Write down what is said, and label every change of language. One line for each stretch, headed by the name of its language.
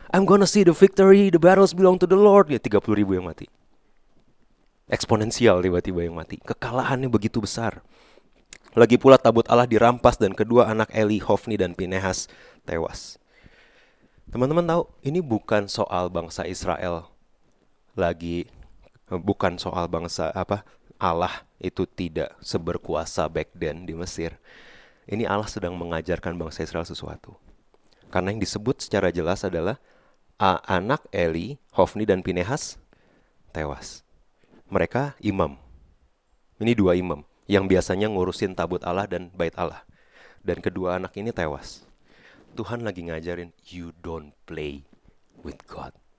English: I'm gonna see the victory, the battles belong to the Lord.
Indonesian: Ya, 30 ribu yang mati. Eksponensial tiba-tiba yang mati. Kekalahannya begitu besar. Lagi pula tabut Allah dirampas dan kedua anak Eli, Hofni dan Pinehas tewas. Teman-teman tahu, ini bukan soal bangsa Israel lagi, bukan soal bangsa apa Allah itu tidak seberkuasa
English: back then
Indonesian: di Mesir. Ini Allah sedang mengajarkan bangsa Israel sesuatu. Karena yang disebut secara jelas adalah anak Eli, Hofni dan Pinehas tewas. Mereka imam. Ini dua imam yang biasanya ngurusin tabut Allah dan bait Allah. Dan kedua anak ini tewas. Tuhan lagi ngajarin,
English: you don't play with God.